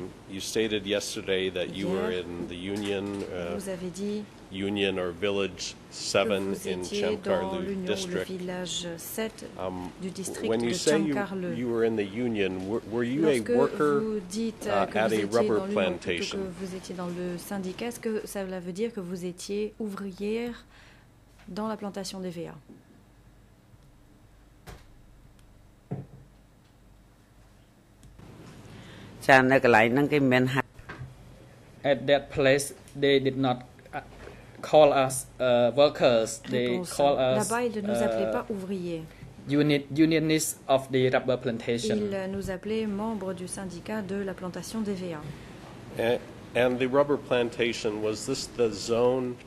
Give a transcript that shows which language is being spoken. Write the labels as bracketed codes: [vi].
[en] You stated yesterday that you were in the union, union or village 7 in Chemkarlu district. When you say you were in the union, were you a worker at a rubber plantation? [fr] Vous étiez dans le syndicat. Est-ce que cela veut dire que vous étiez ouvrière dans la plantation d'EVA? [en] At that place, they did not call us workers. They called us [fr] là-bas, ils ne nous appelaient pas ouvriers. [en] Unionists of the rubber plantation. [fr] Ils nous appelaient membres du syndicat de la plantation d'EVA. [en] And the rubber plantation, was this the zone?